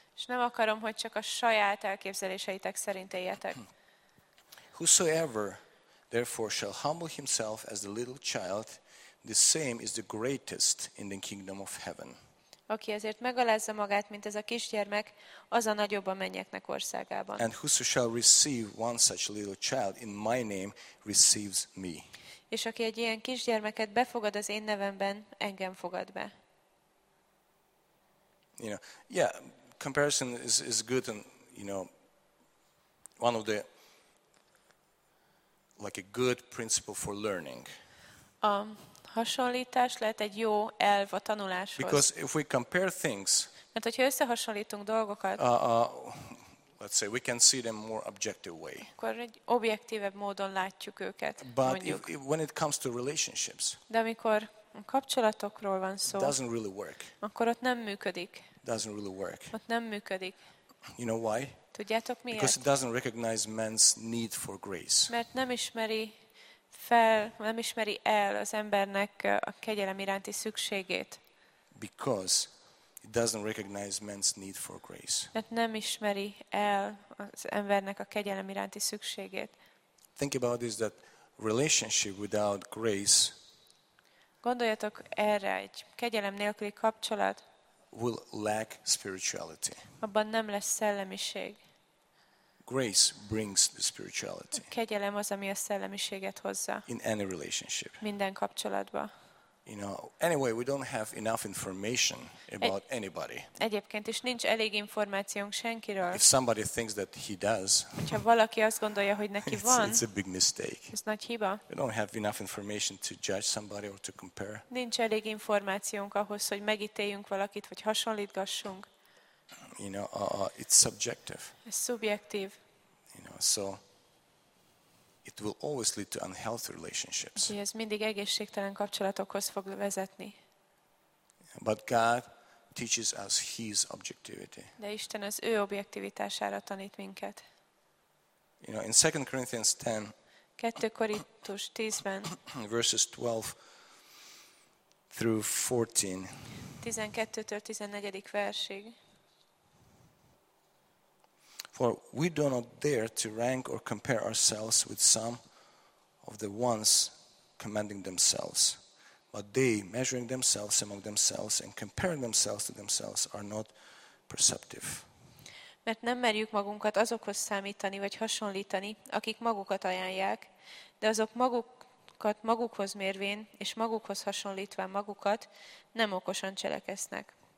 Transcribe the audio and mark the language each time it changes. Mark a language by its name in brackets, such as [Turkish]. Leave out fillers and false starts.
[Hungarian] És nem akarom, hogy csak a saját elképzeléseitek szerint éljetek. [English] Whosoever therefore shall humble himself as the little child, the same is the greatest in the kingdom of heaven. [Hungarian] Aki ezért megalázza magát, mint ez a kisgyermek, az a nagyobb a mennyeknek országában. [English] And whoso shall receive one such little child in my name receives me. [Hungarian] És aki egy ilyen kisgyermeket befogad az én nevemben, engem fogad be. [English] You know, yeah, comparison is good, and you know, one of the, like, a good principle for learning. [Hungarian] A hasonlítás lehet egy jó elv a tanuláshoz. [English] Because if we compare things, [Hungarian] mert hogyha összehasonlítunk dolgokat, [English] let's say we can see them more objective way. [Hungarian] Akkor egy objektívebb módon látjuk őket. [English] But if, when it comes to relationships, [Hungarian] de amikor a kapcsolatokról van szó, [English] doesn't really work. [Hungarian] Akkor ott nem működik. [English] Doesn't really work. [Hungarian] Ott nem működik. [English] You know why? [Hungarian] Tudjátok miért? [English] Because it doesn't recognize man's need for grace. [Hungarian] Mert nem ismeri fel, nem ismeri el az embernek a kegyelem iránti szükségét. [English] Because it doesn't recognize man's need for grace. [Hungarian] Mert nem ismeri el az embernek a kegyelem iránti szükségét. [English] Think about this, that relationship without grace. [Hungarian] Gondoljatok erre, egy kegyelem nélküli kapcsolat [English] will lack spirituality. [Hungarian] Abban nem lesz szellemiség. [English] Grace brings the spirituality. [Hungarian] Kegyelem az, ami a szellemiséget hozza. [English] In any relationship. [Hungarian] Minden kapcsolatba. [English] You know, anyway, we don't have enough information about anybody. [Hungarian] Egyébként is nincs elég információnk senkiről. [English] If somebody thinks that he does, [Hungarian] ha valaki azt gondolja, hogy neki van, [English] it's a big mistake. [Hungarian] Ez nagy hiba. [English] We don't have enough information to judge somebody or to compare. [Hungarian] Nincs elég információnk ahhoz, hogy megítéljünk valakit, vagy hasonlítgassunk. [English] You know, it's subjective. [Hungarian] Ez szubjektív. [English] You know, so it will always lead to unhealthy relationships. [Hungarian] Ez mindig egészségtelen kapcsolatokhoz fog vezetni. [English] But God teaches us His objectivity. [Hungarian] De Isten az ő objektivitására tanít minket. [English] You know, in 2 Corinthians 10, [Hungarian] 2 Korintus 10-ben, [English] verses 12-14, [Hungarian] 12-től 14. versig. [English] For we do not dare to rank or compare ourselves with some of the ones commending themselves. But they, measuring themselves among themselves and comparing themselves to themselves, are not perceptive. [Hungarian] Mert nem merjük magunkat azokhoz számítani vagy hasonlítani, akik magukat ajánlják, de azok magukat magukhoz mérvén és magukhoz hasonlítva magukat nem okosan cselekesznek.